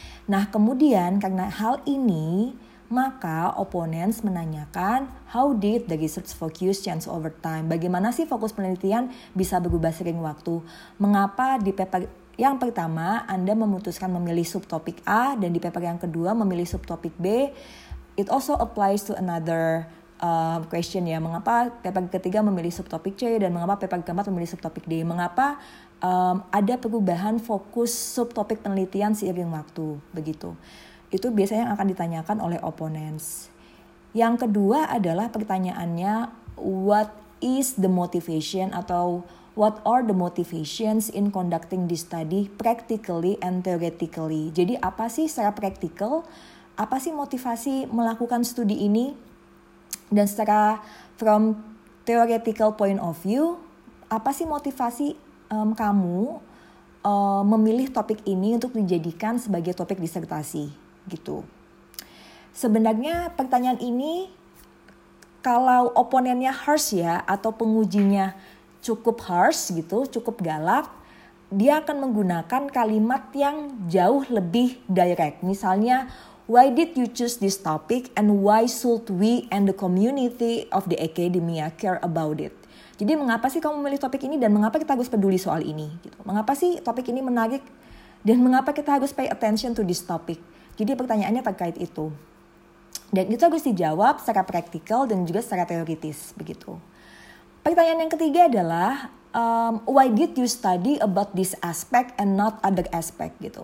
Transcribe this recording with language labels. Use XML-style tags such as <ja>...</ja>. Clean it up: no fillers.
<id>Nah, kemudian karena hal ini, maka opponents menanyakan</id> <en>how did the research focus change over time?</en> <id>Bagaimana sih fokus penelitian bisa berubah seiring waktu? Mengapa di paper yang pertama Anda memutuskan memilih subtopik A dan di paper yang kedua memilih subtopik B?</id> <en>It also applies to another question ya.</en> <id>Mengapa paper ketiga memilih subtopik C dan mengapa paper keempat memilih subtopik D? Mengapa ada perubahan fokus subtopik penelitian seiring waktu? Begitu. Itu biasanya yang akan ditanyakan oleh opponents. Yang kedua adalah pertanyaannya,</id> <en>what is the motivation atau what are the motivations in conducting this study practically and theoretically?</en> <id>Jadi apa sih secara praktikal, apa sih motivasi melakukan studi ini? Dan secara</id> <en>from theoretical point of view,</en> <id>apa sih motivasi kamu memilih topik ini untuk dijadikan sebagai topik disertasi? Gitu. Sebenarnya pertanyaan ini kalau oponennya harsh ya, atau pengujinya cukup harsh gitu, cukup galak, dia akan menggunakan kalimat yang jauh lebih direct.</id> <en>Misalnya, why did you choose this topic and why should we and the community of the academia care about it?</en> <id>Jadi mengapa sih kamu memilih topik ini dan mengapa kita harus peduli soal ini? Gitu. Mengapa sih topik ini menarik dan mengapa kita harus</id> <en>pay attention to this topic?</en> <id>Jadi pertanyaannya terkait itu. Dan itu harus dijawab secara praktikal dan juga secara teoritis. Begitu. Pertanyaan yang ketiga adalah,</id> <en>why did you study about this aspect and not other aspect? Gitu.</en>